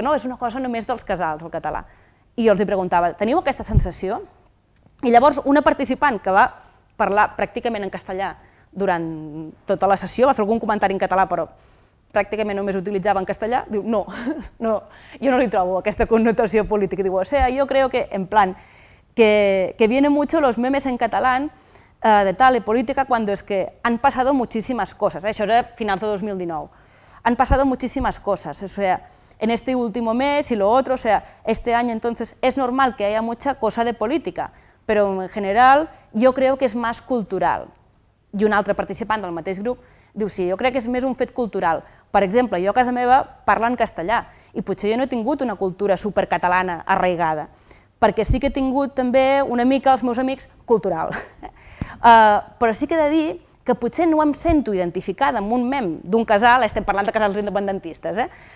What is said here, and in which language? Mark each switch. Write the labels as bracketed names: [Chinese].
[Catalan] No, és una cosa només dels casals, el català. I jo els hi preguntava, teniu aquesta sensació? I llavors una participant que va parlar pràcticament en castellà durant tota la sessió, va fer algun comentari en català, però pràcticament només utilitzava en castellà, diu, no, no, jo no li trobo aquesta connotació política. [Spanish] Diu, o sea, yo creo que, en plan, que vienen mucho los memes en catalán de tal y política cuando es que han pasado muchísimas cosas. [Catalan] Això era finals de 2019. [Spanish] Han pasado muchísimas cosas, o sea, en este último mes y lo otro, o sea, este año entonces es normal que haya mucha cosa de política, pero en general yo creo que es más cultural. [Catalan] I un altre participant del mateix grup diu, sí, jo crec que és més un fet cultural. Per exemple, jo a casa meva parlo en castellà i potser jo no he tingut una cultura supercatalana arraigada, perquè sí que he tingut també una mica els meus amics cultural. Però sí que he de dir que potser no em sento identificada amb un mem d'un casal, estem parlant de casals independentistes, eh?